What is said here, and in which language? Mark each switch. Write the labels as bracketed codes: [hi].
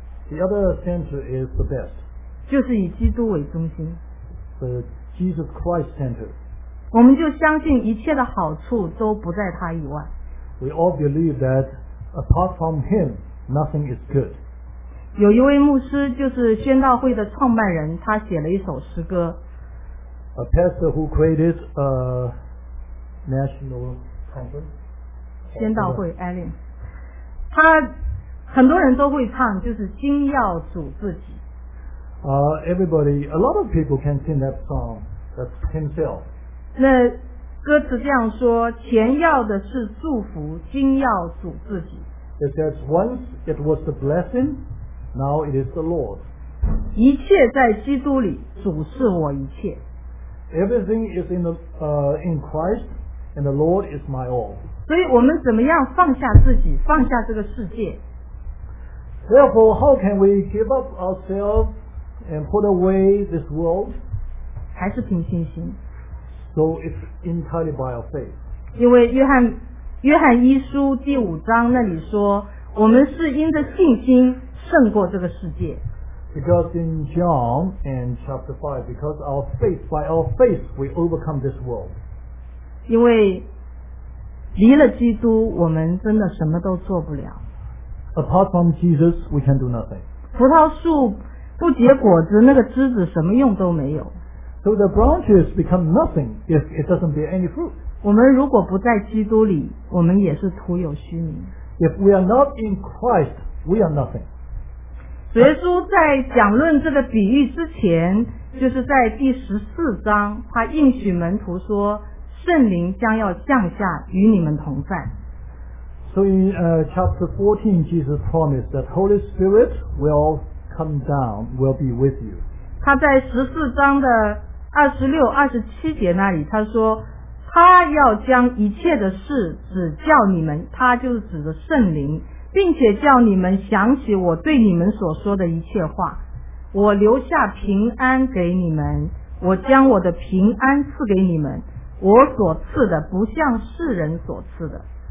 [en] The other center is the best. [zh] 就是以基督为中心。 [en] The Jesus Christ center. [zh] 我们就相信一切的好处都不在他以外。 [en] We all believe that apart from him,Nothing is good. [zh] 有一位牧师就是宣道会的创办人，他写了一首诗歌。 [en] A pastor who created a national conference. [zh] 宣道会 Alan. 他很多人都会唱，就是精要主自己。 [en] Everybody, a lot of people can sing that song. That's himself. [zh] 那歌词这样说，前要的是祝福，精要主自己。 [en] It says, once it was the blessing, now it is the Lord. [zh] 一切在基督里，主是我一切。 [en] Everything is in Christ, and the Lord is my all. [zh] 所以我们怎么样放下自己，放下这个世界？ [en] Therefore, how can we give up ourselves and put away this world? [zh] 还是凭信心。 [en] So it's entirely by our faith. [zh] 因为约翰一书第五章那里说，我们是因着信心胜过这个世界。 [en] Because in John and chapter 5, because our faith, by our faith, we overcome this world. [zh] 因为离了基督，我们真的什么都做不了。 [en] Apart from Jesus, we can do nothing. [zh] 葡萄树不结果子，那个枝子什么用都没有。 [en] So the branches become nothing if it doesn't bear any fruit. [zh] 我们如果不在基督里，我们也是徒有虚名。 [en] If we are not in Christ, we are nothing. [zh] 主耶稣在讲论这个比喻之前，就是在第十四章，他应许门徒说，圣灵将要降下与你们同在。 [en] So in chapter 14, Jesus promised that Holy Spirit will come down, will be with you. [zh] 他在十四章的二十六、二十七节那里，他说。他要将一切的事指教你们，他就是指着圣灵，并且叫你们想起我对你们所说的一切话。我留下平安给你们，我将我的平安赐给你们，我所赐的不像世人所赐的。